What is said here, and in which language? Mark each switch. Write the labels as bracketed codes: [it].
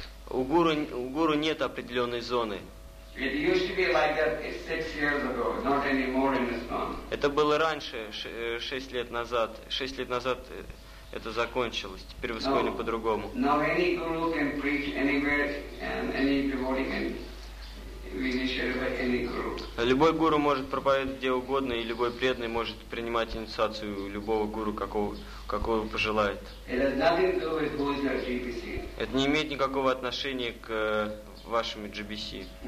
[ru] У гуру нет определенной зоны. [en] It used to be like that 6 years ago, not anymore in ISKCON. [ru] Это было раньше, 6 лет назад. 6 лет назад. Это закончилось. Теперь в ИСККОНе по-другому. [en] Now any guru can preach anywhere, and any devotee can be initiated by any guru. [ru] Любой гуру может проповедовать где угодно, и любой преданный может принимать инициацию любого гуру, какого пожелает. [en] It has nothing to do with who is your GBC. [ru] Это не имеет никакого отношения к вашему GBC.